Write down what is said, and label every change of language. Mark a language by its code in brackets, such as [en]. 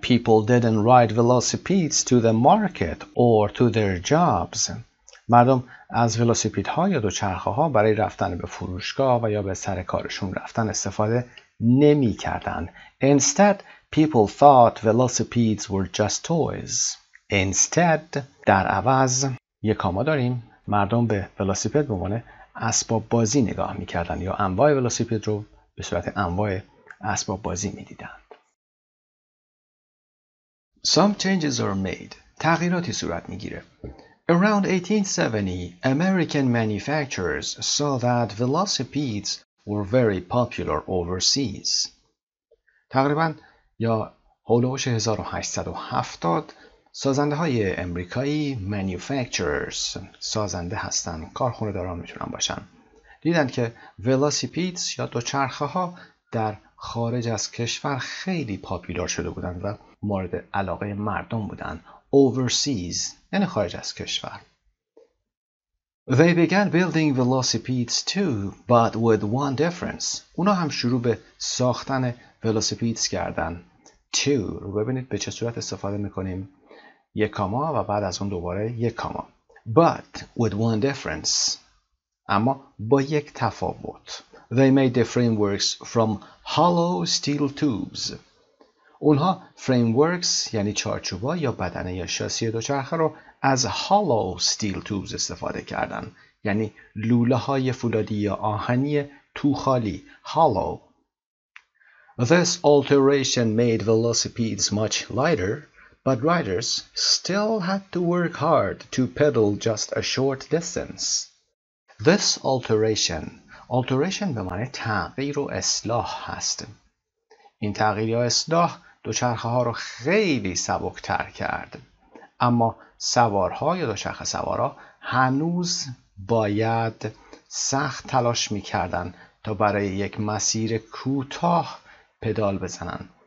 [en] People didn't ride velocipedes to the market or to their jobs. [fa] مردم از ولوسیپید ها یا دوچرخه ها برای رفتن به فروشگاه و یا به سر کارشون رفتن استفاده نمی کردن. [en] Instead, people thought velocipedes were just toys. [fa] Instead, در عوض یک کاما داریم. مردم به ولوسیپید به عنوان اسباب بازی نگاه می کردن یا انواع ولوسیپید رو به صورت انواع اسباب بازی می دیدند. [en] Some changes are made. [fa] تغییراتی صورت می گیره. [en] Around 1870, American manufacturers saw that velocipedes were very popular overseas. [fa] تقریبا یا حول و حوش 1870 سازنده های امریکایی manufacturers سازنده هستن، کارخونه داران میتونن باشن، دیدن که velocipedes یا دوچرخه ها در خارج از کشور خیلی پاپولار شده بودن و مورد علاقه مردم بودن. Overseas یعنی خارج از کشور. [en] They began building velocipedes too, but with one difference. [fa] اونا هم شروع به ساختن velocipedes کردن. Too رو ببینید به چه صورت استفاده میکنیم. یک کاما و بعد از اون دوباره یک کاما. [en] But with one difference. [fa] اما با یک تفاوت. [en] They made the frameworks from hollow steel tubes. [fa] اونها frameworks یعنی چارچوبا یا بدنه یا شاسی دوچرخه رو از [en] hollow steel tubes [fa] استفاده کردن، یعنی لوله های فولادی یا آهنی توخالی. [en] Hollow. This alteration made velocipedes much lighter, but riders still had to work hard to pedal just a short distance. This alteration. [fa] Alteration به معنی تغییر و اصلاح هست. این تغییر یا اصلاح دوچرخه ها رو خیلی سبک‌تر کرد. اما سوارها یا دوچرخه سوارا هنوز باید سخت تلاش می‌کردن تا برای یک مسیر کوتاه پدال بزنن.